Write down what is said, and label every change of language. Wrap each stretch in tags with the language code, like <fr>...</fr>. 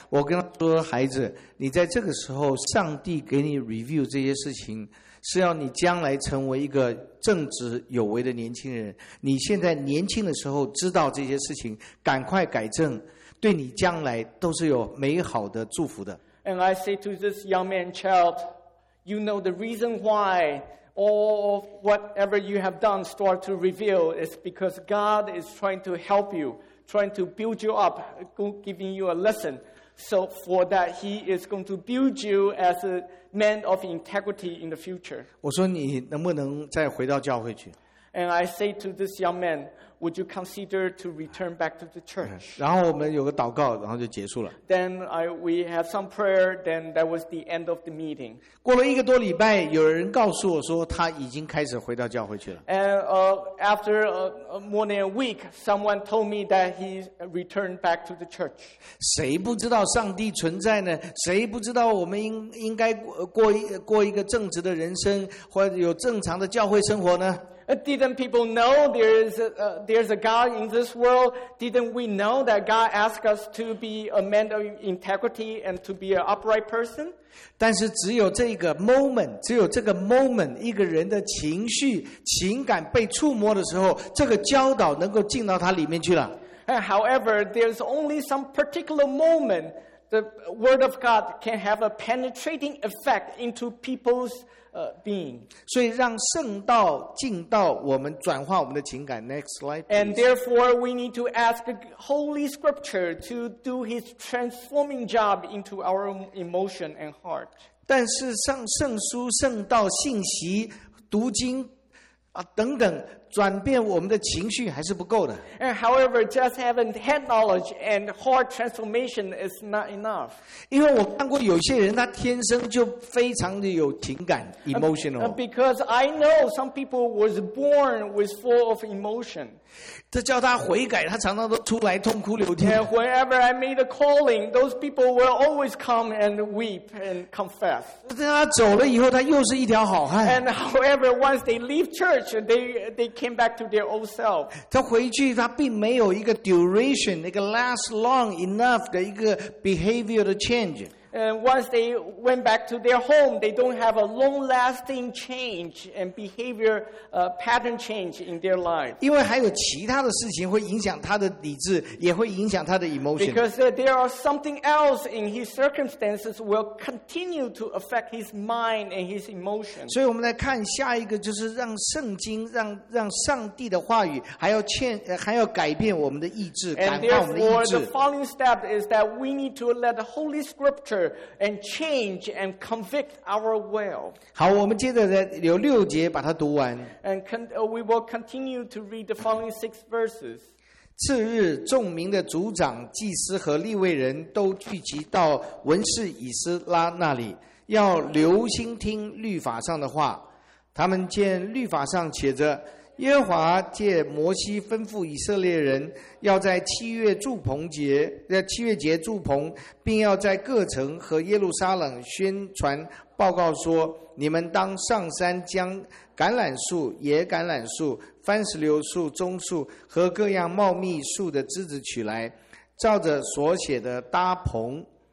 <zh>我跟他说，孩子，你在这个时候上帝给你 review 这些事情，是要你将来成为一个正直有为的年轻人，你现在年轻的时候知道这些事情，赶快改正，对你将来都是有美好的祝福的。</zh> <en>And I say to this young man, child, you know the reason why all of whatever you have done start to reveal is because God is trying to help you, trying to build you up, giving you a lesson. So for that, he is going to build you as aman of integrity in the future.</en> <zh>我说你能不能再回到教会去？</zh> <en>And I say to this young man, would you consider to return back to the church?</en> <zh>然后我们有个祷告，然后就结束了。</zh> <en>Then we had some prayer, then that was the end of the meeting.</en> <zh>过了一个多礼拜，有人告诉我说他已经开始回到教会去了。</zh> <en>And after more than a week, someone told me that he returned back to the church.</en> <zh>谁不知道上帝存在呢？谁不知道我们应该 过一个正直的人生，或者有正常的教会生活呢？</zh> <en>Didn't people know there's a God in this world? Didn't we know that God asked us to be a man of integrity and to be an upright person?</en> <zh>但是只有这个 moment, 只有这个 moment, 一个人的情绪、情感被触摸的时候，这个教导能够进到他里面去了。</zh> <en>However, there's only some particular moment the word of God can have a penetrating effect into people's being.</en> <zh>所以让圣道进到我们，转化我们的情感。</zh> <en>Next slide, please. And therefore we need to ask Holy Scripture to do his transforming job into our emotion and heart.</en> <zh>但是上圣书、圣道、信息、读经、等等，转变我们的情绪还是不够的。</zh> <en>And however, just having head knowledge and heart transformation is not enough.</en> <zh>因为我看过有些人他天生就非常的有情感 emotional.</zh> <en>Because I know some people was born with full of emotion.</en> <zh>这叫他悔改，他常常都出来痛哭流涕。</zh> <en>And whenever I made a calling, those people will always come and weep and confess.</en> <zh>但他走了以后，他又是一条好汉。</zh> <en>And however, once they leave church, they came back to their old self.</en> <zh>他回去，他并没有一个 duration, 一个</zh> <en>last long enough</en> <zh>的一个 behavior 的 change.</zh> <en>Once they went back to their home, they don't have a long-lasting change and behavior pattern change in their life.</en> <zh>因为还有其他的事情会影响他的理智，也会影响他的 emotion.</zh> <en>Because there are something else in his circumstances will continue to affect his mind and his emotion.</en> <zh>所以我们来看下一个，就是让圣经，让上帝的话语还要改变我们的意志，改变我们的意志。</zh> <en>And therefore, the following step is that we need to let the Holy Scripture. And change and convict our will.</en> <zh>好，我们接着在有六节把它读完。</zh> <en>And we will continue to read the following six verses.</en> <zh>次日，众民的族长、祭司和利未人都聚集到文士以斯拉那里，要留心听律法上的话。他们见律法上写着，耶和华借摩西吩咐以色列人，要在七月节祝棚，并要在各城和耶路撒冷宣传报告说，你们当上山将橄榄树、野橄榄树、番石榴树、棕树和各样茂密树的枝子取来，照着所写的搭棚。</zh>